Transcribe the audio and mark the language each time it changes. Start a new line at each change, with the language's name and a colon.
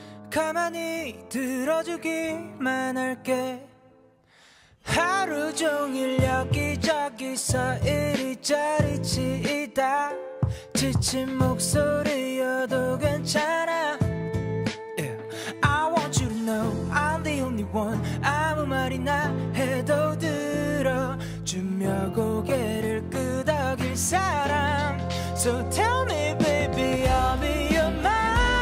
Korean: 가만히 들어주기만 할게. 하루 종일 여기저기서 이리저리 치이다 지친 목소리여도 괜찮아.
English: Yeah. I want you to know I'm the only one.
Korean: 아무 말이나 해도 들어주며 고개를 끄덕일 사람.
English: So tell me baby I'll be your man.